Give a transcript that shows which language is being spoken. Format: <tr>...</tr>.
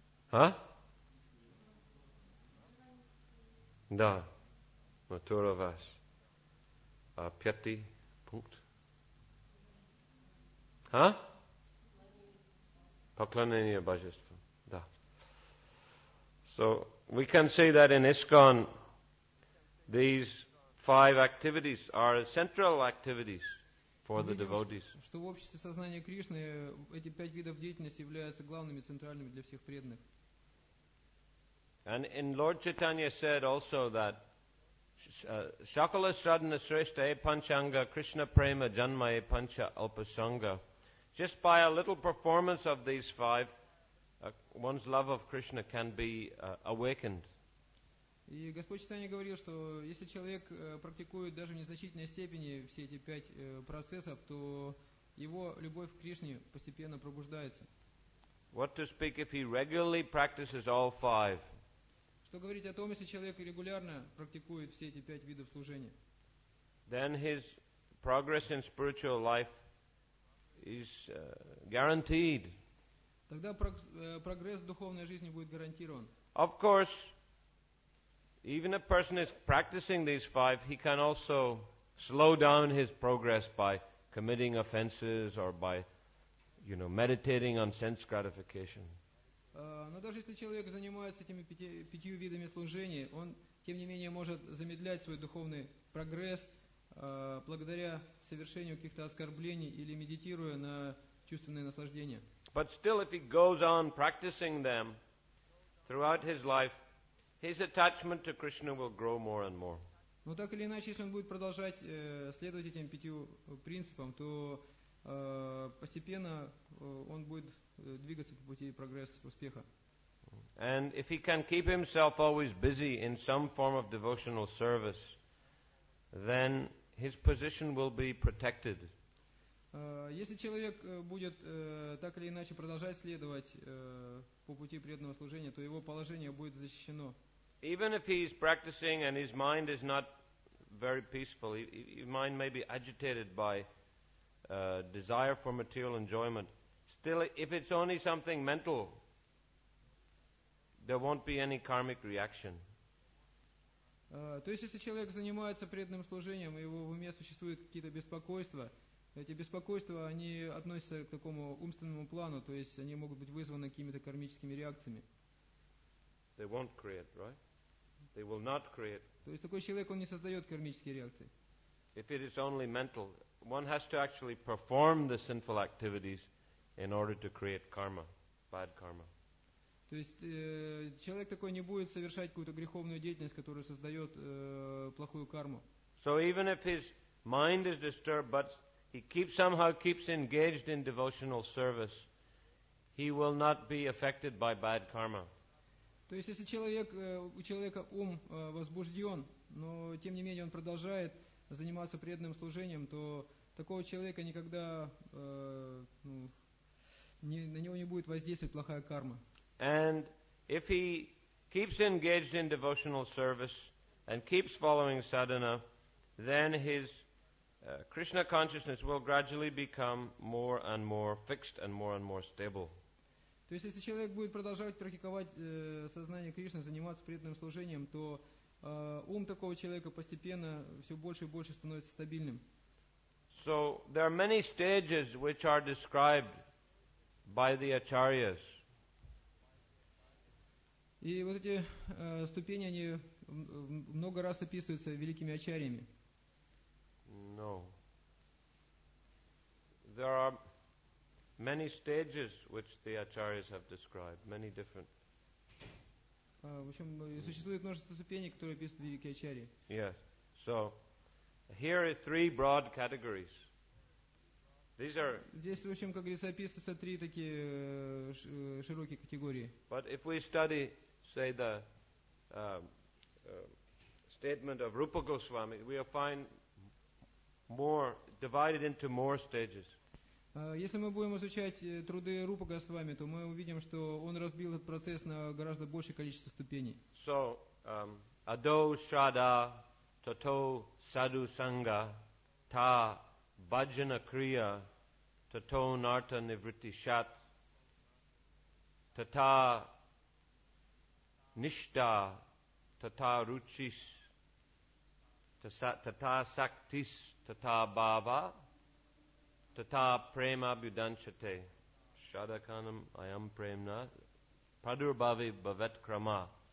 <ru>А? Да, Матуравас. А пятый пункт? А? Поклонение божеству, да.</ru> <en>So, we can say that in ISKCON, these five activities are central activities for the devotees.</en> <ru>Что в обществе сознания Кришны эти пять видов деятельности являются главными, центральными для всех преданных.</ru> <en>And in Lord Chaitanya said also that</en> <sa>Shakala Sradhana Shrestha E Panchanga Krishna Prema Janma E Pancha Alpasanga.</sa> <en>Just by a little performance of these five, one's love of Krishna can be awakened.</en> <ru>И Господь Читание говорил, что если человек практикует даже в незначительной степени все эти пять процессов, то его любовь к Кришне постепенно пробуждается.</ru> <en>What to speak if he regularly practices all five?</en> <ru>Что говорить о том, если человек регулярно практикует все эти пять видов служения?</ru> <en>Then his progress in spiritual life is guaranteed.</en> <ru>Тогда прогресс в духовной жизни будет гарантирован.</ru> <en>Of course, even a person is practicing these five, he can also slow down his progress by committing offenses or by, you know, meditating on sense gratification.</en> <ru>Но даже если человек занимается этими пятью видами служения, он тем не менее может замедлять свой духовный прогресс. Благодаря совершению каких-то оскорблений или медитируя на чувственные наслаждения.</ru> <en>But still, if he goes on practicing them throughout his life, his attachment to Krishna will grow more and more.</en> <ru>Но так или иначе, если он будет продолжать следовать этим пятью принципам, то постепенно он будет двигаться по пути прогресса успеха.</ru> <en>And if he can keep himself always busy in some form of devotional service, then his position will be protected.</en> <ru>Если человек будет так или иначе продолжать следовать по пути преданного служения, то его положение будет защищено.</ru> <en>Even if he is practicing and his mind is not very peaceful, his mind may be agitated by desire for material enjoyment, still, if it's only something mental, there won't be any karmic reaction.</en> <ru>То есть, если человек занимается преданным служением, и в уме существуют какие-то беспокойства, Эти беспокойства, они относятся к такому умственному плану, то есть они могут быть вызваны какими-то кармическими реакциями.</ru> <en>They won't create, right? They will not create.</en> <ru>То есть такой человек, он не создает кармические реакции.</ru> <en>If it is only mental, one has to actually perform the sinful activities in order to create karma, bad karma.</en> <ru>То есть человек такой не будет совершать какую-то греховную деятельность, которая создает плохую карму.</ru> <en>So even if his mind is disturbed, but he somehow keeps engaged in devotional service, he will not be affected by bad karma.</en> <ru>То есть если человек, у человека ум возбужден, но тем не менее он продолжает заниматься преданным служением, то такого человека никогда на него не будет воздействовать плохая карма.</ru> <en>And if he keeps engaged in devotional service and keeps following sadhana, then his Krishna consciousness will gradually become more and more fixed and more stable.</en> <ru>То есть, если человек будет продолжать практиковать сознание Кришны, заниматься преданным служением, то ум такого человека постепенно все больше и больше становится стабильным.</ru> <en>So there are many stages which are described by the acharyas.</en> <ru>И вот эти ступени они много раз описываются великими ачарьями.</ru> <en>No. There are many stages which the acharyas have described, many different.</en> <ru>В общем, существует множество ступеней, которые описывают великие ачарьи.</ru> <en>Yes. So here are three broad categories. These are.</en> <ru>Здесь, в общем, как говорится, описываются три такие широкие категории.</ru> <en>But if we study, say, the statement of Rupa Goswami, we will find more divided into more stages.</en> <ru>Если мы будем изучать труды Рупа Госвами, то мы увидим, что он разбил этот процесс на гораздо большее количество ступеней.</ru> <sa>So, ado shada tato sadhu sanga ta bhajana kriya tato narta nivritti shat tata nishta tata ruchis tata saktis tata bhava tata prema budanchate shadakanam ayam premna padurbhavi bhavet krama.</sa>